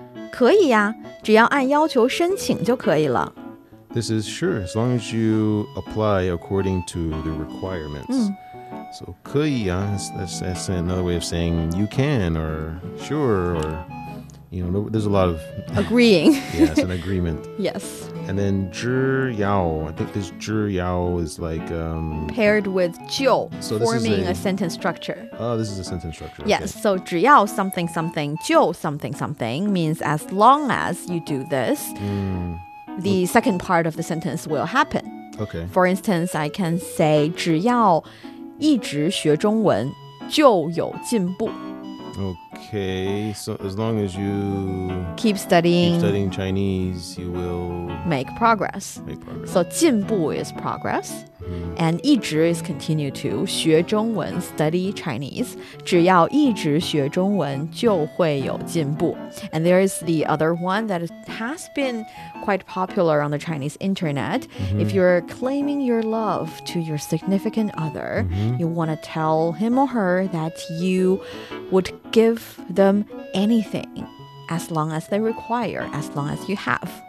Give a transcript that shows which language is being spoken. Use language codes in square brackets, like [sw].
[zh] 可以呀，只要按要求申请就可以了。 [en] This is sure, as long as you apply according to the requirements. So [zh] 可以呀, [en] that's another way of saying you can or sure or, you know, there's a lot of... Agreeing. Yeah, it's an agreement. Yes. And then 只要, I think this 只要 is like... paired with 就, so forming a sentence structure. Oh, this is a sentence structure. Yes, okay. So 只要something something 就 something something means as long as you do this, the second part of the sentence will happen. Okay. For instance, I can say [zh] 只要一直学中文就有进步。 [en] Okay, so as long as you keep studying Chinese, you will make progress. So 进步 is progress, and 一直 is continue to [zh] 学中文 [en] study Chinese. [zh] 只要一直学中文就会有进步. [en] And there is the other one that has been quite popular on the Chinese internet. If you're claiming your love to your significant other, you want to tell him or her that you would give them anything as long as they require, as long as you have.